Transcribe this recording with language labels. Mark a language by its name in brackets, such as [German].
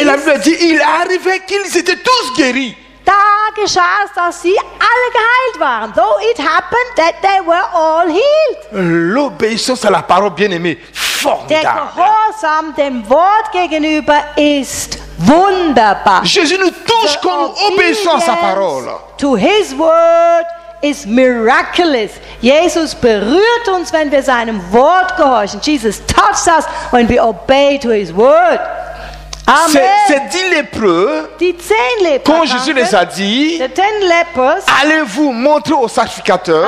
[French] Et la Bible dit, il arrivait qu'ils étaient tous guéris. [German] Da geschah es, dass sie alle geheilt waren. [English] Though it happened that they were all healed. [French] L'obéissance à la parole, bien-aimée, formidable. [German] Der Gehorsam dem Wort gegenüber ist wunderbar. [French] Jésus nous touche quand nous obéissons à sa parole. [English] To his word is miraculous. [German] Jesus berührt uns, wenn wir seinem Wort gehorchen. [English] Jesus touches us when we obey to his word. [French] Ces 10 lépreux, quand Jésus les a dit, allez-vous montrer au sacrificateur.